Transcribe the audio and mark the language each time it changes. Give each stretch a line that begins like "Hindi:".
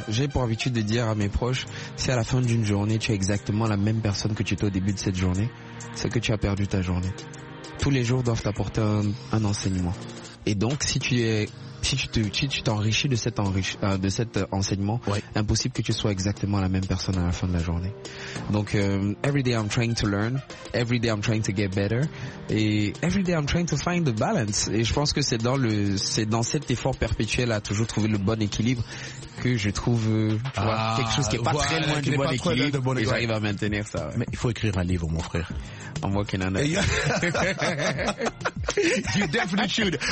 French: J'ai pour habitude de dire à mes proches, si à la fin d'une journée, tu es exactement la même personne que tu étais au début de cette journée, c'est que tu as perdu ta journée. Tous les jours doivent t'apporter un enseignement. Et donc, si tu t'enrichis de cet enseignement, ouais, impossible que tu sois exactement la même personne à la fin de la journée.
English: Donc, every day I'm trying to learn, every day I'm trying to get better, et every day I'm trying to find the balance.
French: Et je pense que c'est dans cet effort perpétuel à toujours trouver le bon équilibre que je trouve quelque chose qui est pas très loin du bon équilibre. Et j'arrive à maintenir ça. Ouais. Mais il faut écrire un livre, mon frère.
English: I'm working on it. You definitely should.